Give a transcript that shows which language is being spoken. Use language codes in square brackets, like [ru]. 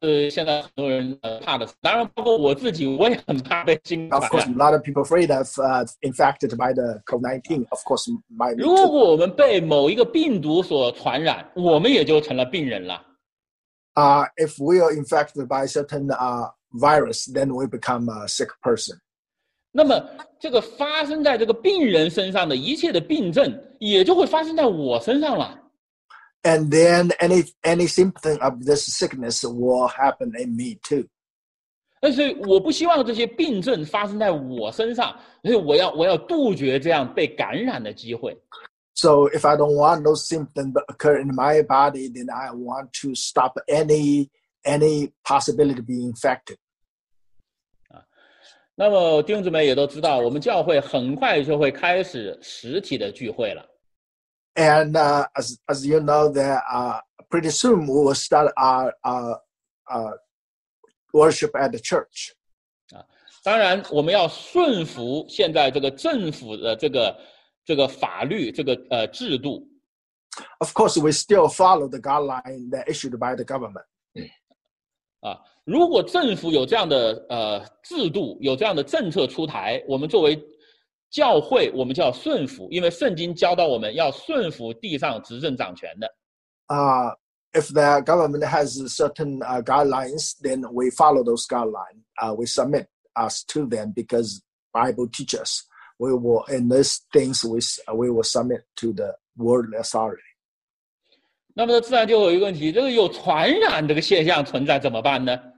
[zh] 现在很多人怕的，当然包括我自己，我也很怕被新冠。 [en] Of course, a lot of people afraid of infected by the COVID-19. Of course, my. [zh] 如果我们被某一个病毒所传染，我们也就成了病人了。 [en] If we are infected by certain virus, then we become a sick person. [zh] 那么这个发生在这个病人身上的一切的病症也就会发生在我身上了。 [en] And then any symptom of this sickness will happen in me too. [zh] 但是我不希望这些病症发生在我身上，所以我要杜绝这样被感染的机会。 [en] So if I don't want those symptoms to occur in my body, then I want to stop any possibility of being infected. [zh] 那么弟兄姊妹也都知道，我们教会很快就会开始实体的聚会了。 [en] And as you know, that pretty soon we will start our worship at the church. [zh] 当然我们要顺服现在这个政府的这个法律这个制度。 [en] Of course, we still follow the guideline that issued by the government. [zh] 如果政府有这样的制度，有这样的政策出台，我们作为教会，我们就要顺服，因为圣经教导我们要顺服地上执政掌权的。 [en] If the government has certain guidelines, then we follow those guidelines. We submit us to them because Bible teaches we will in these things we will submit to the world authority. [zh] 那么自然就有一个问题，这个有传染这个现象存在怎么办呢？